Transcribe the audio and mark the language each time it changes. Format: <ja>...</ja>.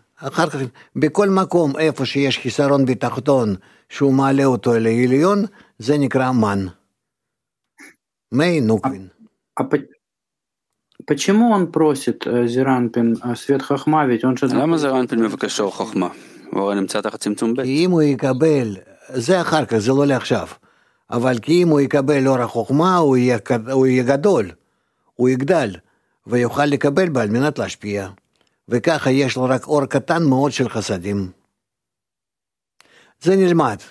<he>אחר כך, בכל מקום איפה שיש חיסרון בתחתון, שהוא מעלה אותו אל העליון, זה נקרא מן. מי נוקבין.</he> <ru>почему он просит זרנפין свет חכמה?</ru> <he>למה זרנפין מבקש אור חכמה? הוא הרי נמצא תחת צמצום בית. כי אם הוא יקבל, זה אחר כך, זה לא לעכשיו. אבל כי אם הוא יקבל אור החוכמה, הוא יהיה גדול. הוא יגדל. ויוכל לקבל בה על מנת להשפיע. וככה יש לו רק אור קטן מאוד של חסדים. זה נלמד.</he>